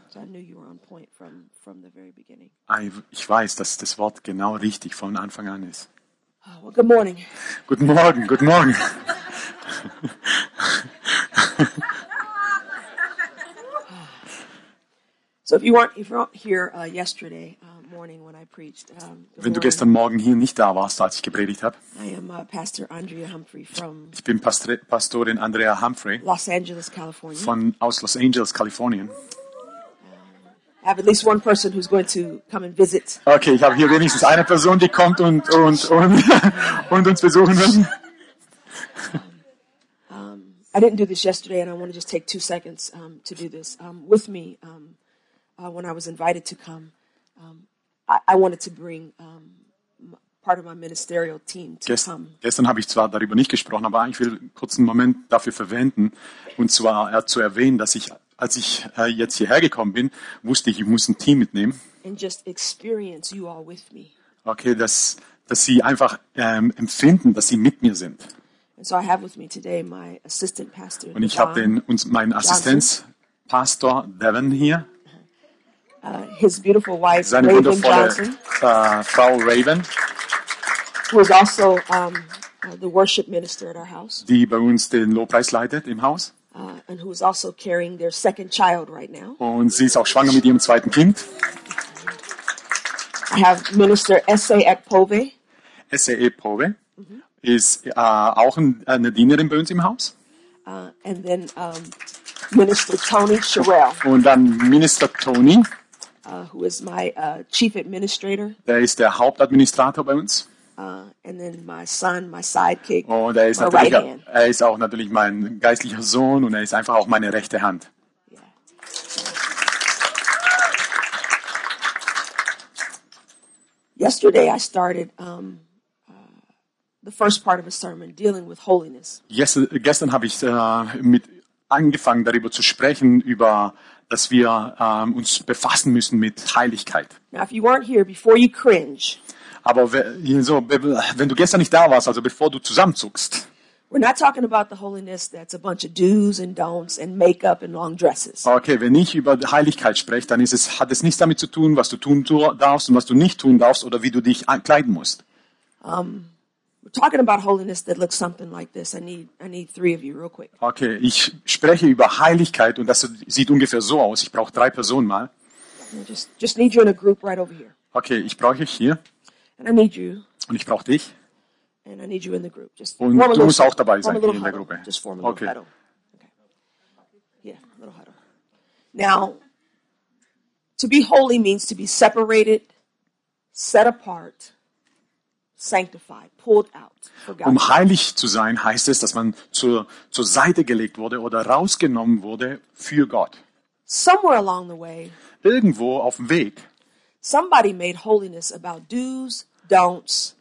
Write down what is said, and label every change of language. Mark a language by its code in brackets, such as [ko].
[en] So I knew you were on point from the very beginning. [de] Ich weiß, dass das Wort genau richtig von Anfang an ist. [en] Oh, well, good morning. [de] Guten Morgen, guten Morgen. [en] So if you weren't here yesterday morning when I preached, [de] wenn du gestern Morgen hier nicht da warst, als ich gepredigt habe, [en] I am Pastor Andrea Humphrey from. [de] Ich bin Pastorin Andrea Humphrey. [en] Los Angeles, California. [de] Aus Los Angeles, Kalifornien. [en] I have at least one person who's going to come and visit. [de] Okay, ich habe hier wenigstens eine Person, die kommt und uns besuchen wird. [en] I didn't do this yesterday, and I want to just take 2 seconds to do this with me. When I was invited to come, I wanted to bring part of my ministerial team to come. [de] Gestern habe ich zwar darüber nicht gesprochen, aber ich will kurz einen Moment dafür verwenden, und zwar zu erwähnen, dass ich, als ich jetzt hierher gekommen bin, wusste ich muss ein Team mitnehmen. [en] And just experience you all with me. [de] Okay, dass sie einfach empfinden, dass sie mit mir sind. [en] And so I have with me today my assistant pastor. [de] Und ich habe meinen Assistenzpastor Devin hier. [en] His beautiful wife, [de] seine [en] Raven [de] wundervolle [en] Johnson, [de] Frau Raven, [en] who is also the worship minister at our house, [de] die bei uns den Lobpreis leitet im Haus, [en] and who is also carrying their second child right now. [de] Und sie ist auch schwanger mit ihrem zweiten Kind. [en] I have Minister Esse Ekpove. [de] Esse Ekpove ist auch eine Dienerin bei uns im Haus. [en] And then Minister Tony Sherrell. [de] Und dann Minister Tony. [en] Who is my chief administrator? [de] Der ist der Hauptadministrator bei uns. [en] And then my son, my sidekick, [de] und er ist [en] my right hand. [de] Er ist auch natürlich mein geistlicher Sohn und er ist einfach auch meine rechte Hand. [en] Yesterday I started the first part of a sermon dealing with holiness. [de] Gestern habe ich mit angefangen darüber zu sprechen, über dass wir uns befassen müssen mit Heiligkeit. [en] Now, if you weren't here, before you cringe. [de] Aber wenn du gestern nicht da warst, also bevor du zusammenzuckst. [en] We're not talking about the holiness that's a bunch of do's and don'ts and makeup and long dresses. [de] Okay, wenn ich über Heiligkeit spreche, dann ist es, hat es nichts damit zu tun, was du tun darfst und was du nicht tun darfst oder wie du dich ankleiden musst. [en] We're talking about holiness that looks something like this. I need three of you real quick. [de] Okay, ich spreche über Heiligkeit und das sieht ungefähr so aus. Ich brauche drei Personen mal. [en] Just need you in a group right over here. [de] Okay, ich brauche dich hier. [en] And I need you. [de] Und ich brauche dich. [en] And I need you in the group. [de] Just und du musst auch dabei sein hier in der Gruppe. [en] Just form a little huddle. Yeah, a little huddle. Now, to be holy means to be separated, set apart, sanctified, pulled out for God. [de] Um heilig zu sein, heißt es, dass man zur Seite gelegt wurde oder rausgenommen wurde für Gott. [en] Somewhere along the way, [de] irgendwo auf dem Weg, [en] somebody made holiness about do's, don'ts,